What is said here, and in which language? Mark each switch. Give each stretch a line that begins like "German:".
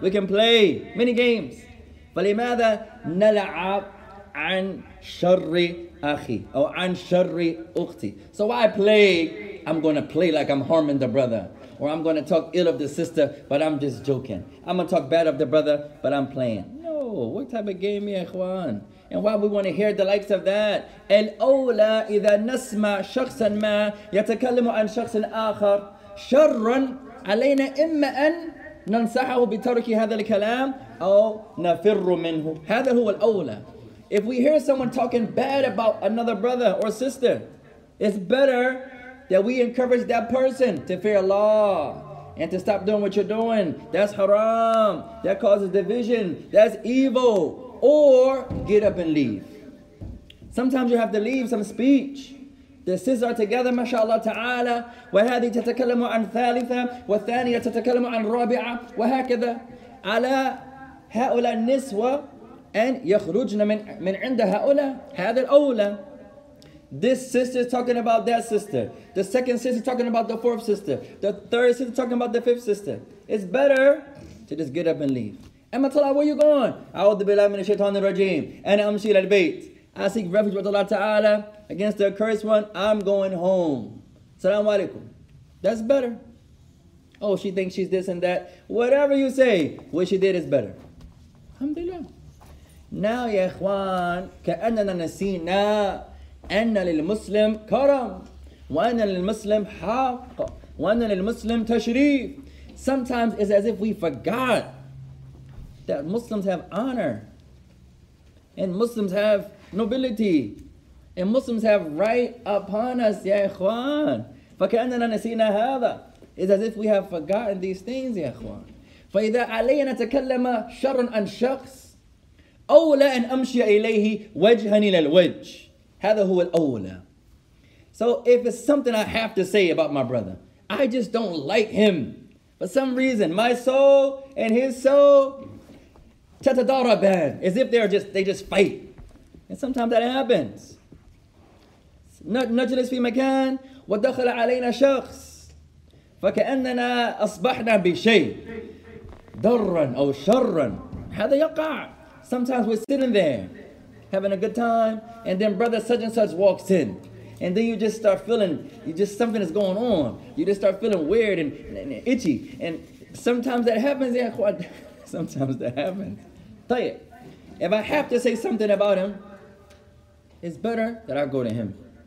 English: We can play many games.
Arabic: فَلِمَاذَا نَلَعَبْ عَنْ شَرِّ أَخِي أَوْ عَنْ شَرِّ أُخْتِ.
English: So why play? I'm going to play like I'm harming the brother. Or I'm going to talk ill of the sister, but I'm just joking. I'm going to talk bad of the brother, but I'm playing. No. what type of game, ya ikhwan? And why we want to hear the likes of that?
Arabic: الأولى إذا نسمع شخصا ما يتكلم عن شخص آخر شرا علينا إما أن ننصحه بترك هذا الكلام أو نفر منه. هذا هو الأولى.
English: If we hear someone talking bad about another brother or sister, it's better that we encourage that person to fear Allah and to stop doing what you're doing. That's haram. That causes division. That's evil. Or get up and leave. Sometimes you have to leave some speech. The sisters are together, mashallah ta'ala.
Arabic: وهذه تتكلم عن ثالثة والثانية تتكلم عن رابعة وهكذا على هؤلاء النسوة أن يخرجن من عند هؤلاء. هذا الأولى.
English: This sister is talking about that sister. The second sister is talking about the fourth sister. The third sister is talking about the fifth sister. It's better to just get up and leave.
Arabic: Emma Talah,
English: where you going?
Arabic: A'udhu billahi minash shaitanir rajim. Ana amshi ila al-bayt.
English: I seek refuge with Allah Ta'ala against the accursed one. I'm going home. Salaamu alaikum. That's better. Oh, she thinks she's this and that. Whatever you say, what she did is better.
Arabic: Alhamdulillah. Now, ya ikhwan, ka'annana nasina. أن للمسلم كرم وأن للمسلم حق وأن للمسلم تشريف.
English: Sometimes it's as if we forgot that Muslims have honor and Muslims have nobility and Muslims have right upon us,
Arabic: يا إخوان. فكأننا نسينا هذا.
English: It's as if we have forgotten these things,
Arabic: يا إخوان. فإذا علي أن أتكلم شر عن شخص أولى أن أمشي إليه وجها إلى الوجه. هذا هو الأولى.
English: So if it's something I have to say about my brother, I just don't like him. For some reason, my soul and his soul
Arabic: تتضاربان,
English: as if they just fight. And sometimes that happens.
Arabic: نجلس في مكان ودخل علينا شخص فكأننا أصبحنا بشيء ضرا أو شرا. هذا يقع.
English: Sometimes we're sitting there having a good time, and then brother such and such walks in. And then you just start feeling, something is going on. You just start feeling weird and itchy. And sometimes that happens, yeah, sometimes that happens. Tell you, if I have to say something about him, it's better that I go to him.